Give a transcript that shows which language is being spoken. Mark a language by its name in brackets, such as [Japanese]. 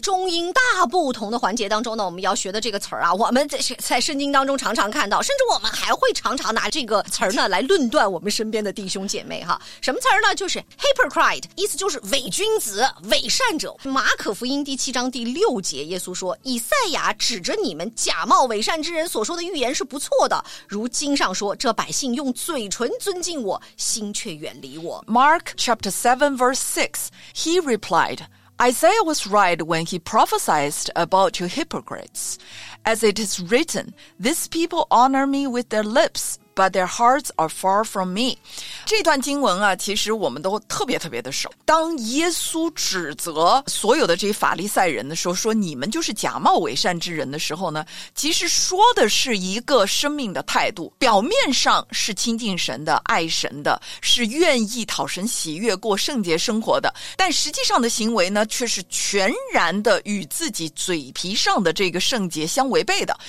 [Chinese] 中英大不同的环节当中呢，我们要学的这个词儿啊，我们在圣经当中常常看到，甚至我们还会常常拿这个词儿呢来论断我们身边的弟兄姐妹哈。什么词儿呢？就是 hypocrite， 意思就是伪君子、伪善者。马可福音第七章第六节，耶稣说：“以赛亚指着你们假冒伪善之人所说的预言是不错的，如经上说，这百姓用嘴唇尊敬我，心却远离我。” [English] Mark chapter 7 verse 6, he replied, Isaiah was right when he prophesied about you hypocrites. As it is written, these people honor me with their lips, but their hearts are far from me. [Chinese] 这段经文啊，其实我们都特别特别的熟。当耶稣指责所有的这些法利赛人的时候，说你们就是假冒伪善之人的时候呢，其实说的是一个生命的态度，表面上是亲近神的、爱神的，是愿意讨神喜悦、过圣洁生活的，但实际上的行为呢，却是全然的与自己嘴皮上的这个圣洁相违背的。